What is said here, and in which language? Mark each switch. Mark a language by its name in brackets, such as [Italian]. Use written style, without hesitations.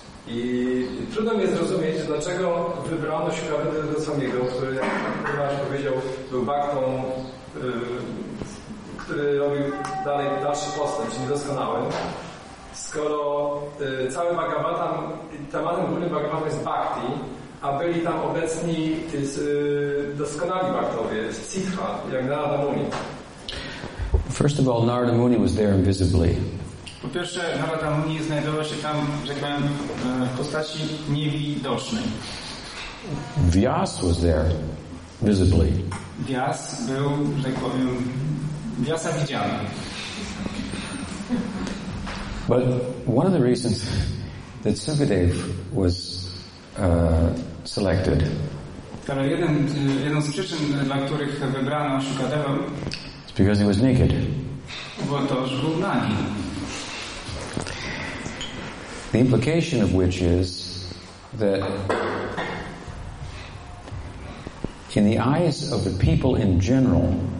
[Polish] I trudno mi jest zrozumieć, dlaczego wybrano Sukadevę do Swamiego, który, jak Maharaj powiedział, był baktą, który robił dalszy postęp, czyli doskonały. Skoro cały Bhagavatam, tematem głównym Bhagavatam jest bhakti, a byli tam obecni doskonali bhaktowie, sikha, jak Narada Muni. [English] First of all, Narada Muni was there invisibly. [Polish] Po pierwsze, Narada Muni znajdował się tam, że tak powiem, w postaci niewidocznej. [English] Vyas was there, visibly. [Polish] Vyas był, że tak powiem, Vyasa widziany. [English] But one of the reasons that Sukadeva was selected is because he was naked. The implication of which is that in the eyes of the people in general,